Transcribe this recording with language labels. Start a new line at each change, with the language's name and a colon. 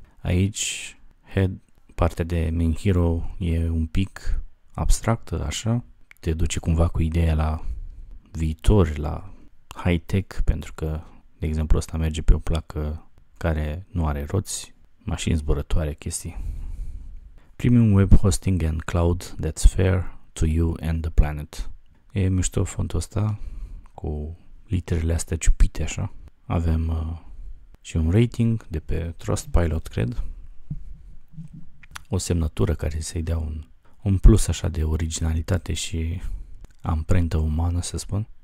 Romanian: Aici partea de main hero e un pic abstractă, așa. Te duce cumva cu ideea la viitor, la high-tech, pentru că, de exemplu, ăsta merge pe o placă care nu are roți, mașini zburătoare, chestii.
English: Premium web hosting and cloud that's fair to you and the planet.
Romanian: E mișto fontul ăsta, cu literele astea ciupite, așa. Avem și un rating de pe Trustpilot, cred. O semnătură care să-i dea un plus așa de originalitate și amprentă umană, să spun.